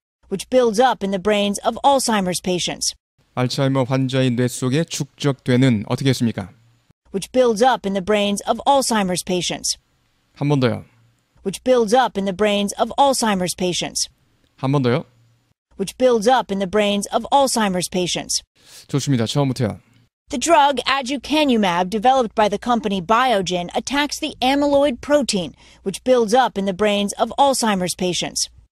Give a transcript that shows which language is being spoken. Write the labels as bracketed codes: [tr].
[en] Which builds up in the brains of Alzheimer's patients. [ko] 알츠하이머 환자의 뇌 속에 축적되는 어떻게 했습니까? [en] Which builds up in the brains of Alzheimer's patients. [ko] 한 번 더요. [en] Which builds up in the brains of Alzheimer's patients. [ko] 한 번 더요. [en] Which builds up in the brains of Alzheimer's patients. [ko] 좋습니다. 처음부터요. [en] The drug aducanumab, developed by the company Biogen, attacks the amyloid protein, which builds up in the brains of Alzheimer's patients.